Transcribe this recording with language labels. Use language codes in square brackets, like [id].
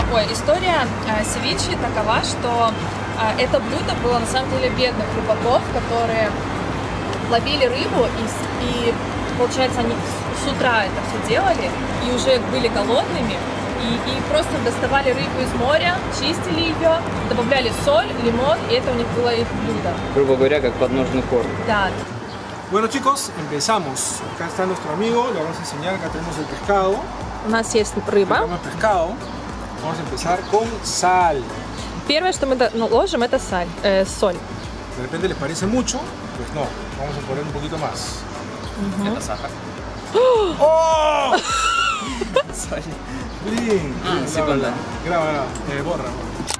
[ru] История севиче такова, что это блюдо было на самом деле бедных рыбаков, которые ловили рыбу и получается, они с утра это все делали и уже были голодными, и просто доставали рыбу из моря, чистили ее, добавляли соль, лимон, и это у них было их блюдо. Грубо говоря, как подножный корм. Да. [es] Bueno, chicos, empezamos. Acá está nuestro amigo, le vamos a enseñar, acá tenemos el pescado. [ru] У нас есть рыба. [es] Tenemos pescado. Vamos a empezar con sal. [ru] Первое, что мы ложим, это саль, соль. [es] De repente les parece mucho, pues no. Vamos a poner un poquito más. [ru] Это сахар. ¡Oh! Соль. Блин. Секунда. Граба, borra.